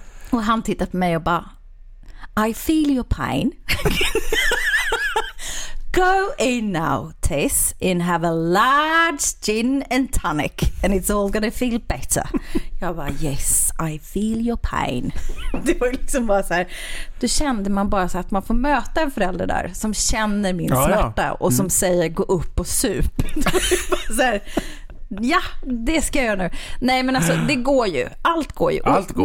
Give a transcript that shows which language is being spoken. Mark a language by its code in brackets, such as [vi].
[sv] Och han tittade på mig och bara, [en] I feel your pain. Go in now, Tess, and have a large gin and tonic, and it's all gonna feel better. [sv] Jag bara, [en] yes, I feel your pain. [sv] Det var liksom bara så här, då kände man bara så att man får möta en förälder där som känner min smärta och som säger, gå upp och sup. Så här, ja, det ska jag göra nu. Nej, men alltså, det går ju. Allt går ju. Allt går.